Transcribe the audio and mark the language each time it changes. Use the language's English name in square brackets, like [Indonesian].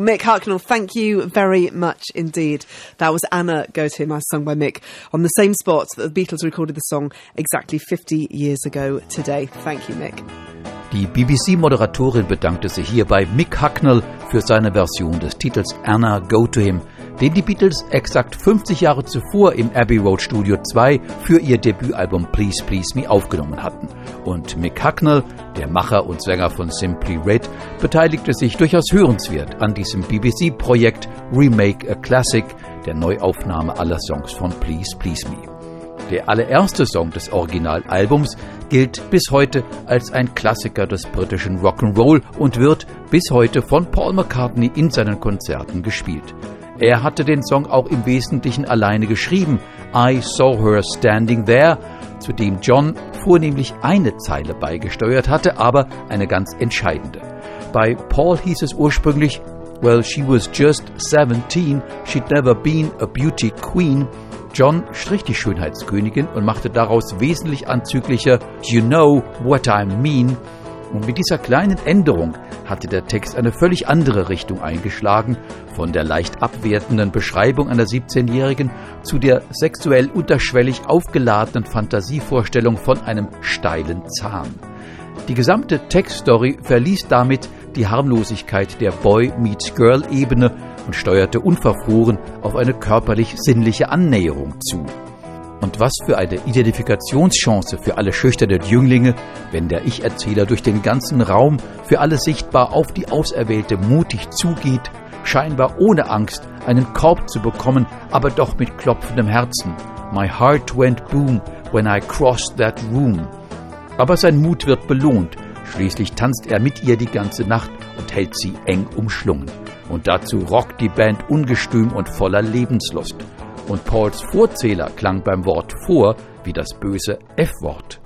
[English] Mick Hucknall, thank you very much indeed. That was Anna Goes Here, my song by Mick, on the same spot that the Beatles recorded the song exactly 50 years ago today. Thank you, Mick. [German] Die BBC-Moderatorin bedankte sich hier bei Mick Hucknall für seine Version des Titels Anna Go To Him, den die Beatles exakt 50 Jahre zuvor im Abbey Road Studio 2 für ihr Debütalbum Please Please Me aufgenommen hatten. Und Mick Hucknall, der Macher und Sänger von Simply Red, beteiligte sich durchaus hörenswert an diesem BBC-Projekt Remake a Classic, der Neuaufnahme aller Songs von Please Please Me. Der allererste Song des Originalalbums gilt bis heute als ein Klassiker des britischen Rock'n'Roll und wird bis heute von Paul McCartney in seinen Konzerten gespielt. Er hatte den Song auch im Wesentlichen alleine geschrieben, I Saw Her Standing There, zu dem John vornehmlich eine Zeile beigesteuert hatte, aber eine ganz entscheidende. Bei Paul hieß es ursprünglich, [English] Well, she was just 17, she'd never been a beauty queen. [German] John strich die Schönheitskönigin und machte daraus wesentlich anzüglicher, [English] You know what I mean. [German] Und mit dieser kleinen Änderung hatte der Text eine völlig andere Richtung eingeschlagen, von der leicht abwertenden Beschreibung einer 17-Jährigen zu der sexuell unterschwellig aufgeladenen Fantasievorstellung von einem steilen Zahn. Die gesamte Textstory verließ damit die Harmlosigkeit der Boy-Meets-Girl-Ebene und steuerte unverfroren auf eine körperlich-sinnliche Annäherung zu. Und was für eine Identifikationschance für alle schüchternen Jünglinge, wenn der Ich-Erzähler durch den ganzen Raum für alle sichtbar auf die Auserwählte mutig zugeht, scheinbar ohne Angst, einen Korb zu bekommen, aber doch mit klopfendem Herzen. [English] My heart went boom when I crossed that room. [German] Aber sein Mut wird belohnt. Schließlich tanzt er mit ihr die ganze Nacht und hält sie eng umschlungen. Und dazu rockt die Band ungestüm und voller Lebenslust. Und Pauls Vorzähler klang beim Wort vor wie das böse F-Wort.